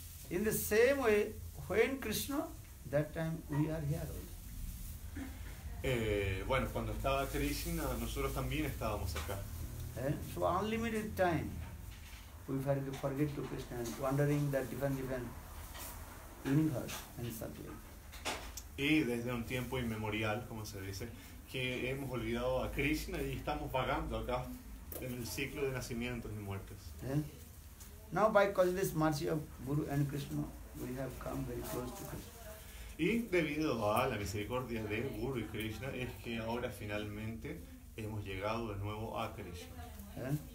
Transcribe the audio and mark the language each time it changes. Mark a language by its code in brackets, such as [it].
[en] In the same way, when Krishna, that time we are here also. [es] Bueno, cuando estaba Krishna, nosotros también estábamos acá. [en] So unlimited time. We forget to Krishna, wandering that different universe and subject. [es] Y desde un tiempo inmemorial, como se dice, que hemos olvidado a Krishna y estamos vagando acá en el ciclo de nacimientos y muertes. [en] Now by causeless mercy of Guru and Krishna, we have come very close to Krishna. [es] Y debido a la misericordia de Guru y Krishna es que ahora finalmente hemos llegado de nuevo a Krishna.